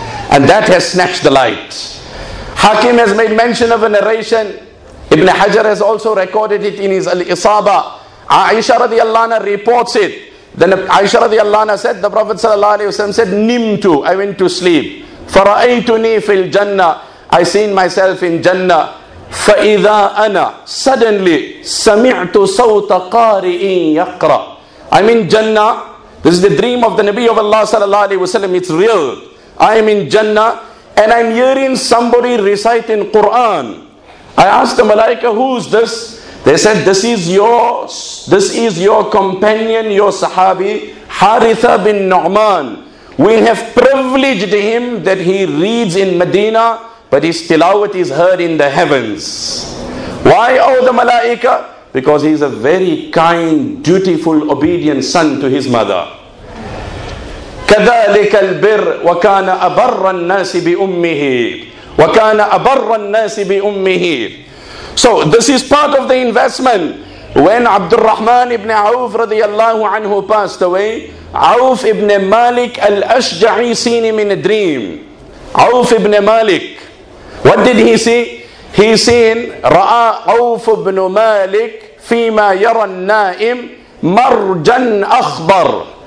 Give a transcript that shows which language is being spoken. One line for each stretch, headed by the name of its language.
English: And that has snatched the light. Hakim has made mention of a narration. Ibn Hajar has also recorded it in his Al-Isaba. Aisha radiallahu anha reports it. Then Aisha radiallahu anha said, the Prophet sallallahu alayhi wa sallam said, Nimtu, I went to sleep.
Arabic: Fara'aytuni fil Jannah,
English: I seen myself in Jannah.
Arabic: فَإِذَا أَنَا
English: Suddenly,
Arabic: سَمِعْتُ صَوْتَ قَارِئٍ يَقْرَى
English: I'm in Jannah. This is the dream of the Nabi of Allah sallallahu alayhi wa sallam. It's real. I'm in Jannah and I'm hearing somebody reciting Quran. I asked the Malaika, who's this? They said, this is your companion, your Sahabi, Haritha bin Nu'man. We have privileged him that he reads in Medina, but his tilawat is heard in the heavens. Why, oh the Malaika? Because he is a very kind, dutiful, obedient son to his mother.
Arabic: كَذَلِكَ الْبِرُّ وَكَانَ أَبَرَّ النَّاسِ بِأُمِّهِ وَكَانَ أَبَرَّ النَّاسِ بِأُمِّهِ.
English: So this is part of the investment. When Abdul Rahman ibn Auf radiallahu anhu passed away, Auf ibn Malik al-Ashja'i seen him in a dream. Auf ibn Malik. What did he see? He seen
Arabic: رأى عوف بن مالك فيما يرى النائم مرجا أخضر.